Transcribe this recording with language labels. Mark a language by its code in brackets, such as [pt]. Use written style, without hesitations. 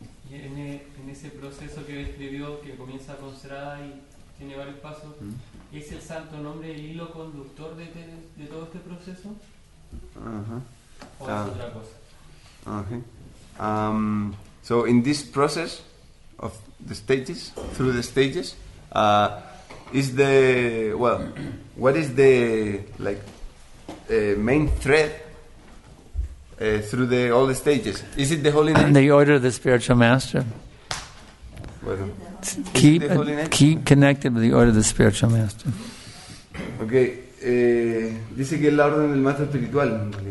[es] En ese proceso que describió, que comienza con Sarada y tiene varios pasos, ¿es el santo nombre el hilo conductor de todo este proceso? Uh-huh. ¿O es otra cosa? Okay. [en] So in this process of the stages, through the stages, main thread through the all the stages? Is it the holy name? The order of the spiritual master. [es] Bueno. [en] Keep connected with the order of the spiritual master. Okay. [es] Dice que es la orden del maestro espiritual.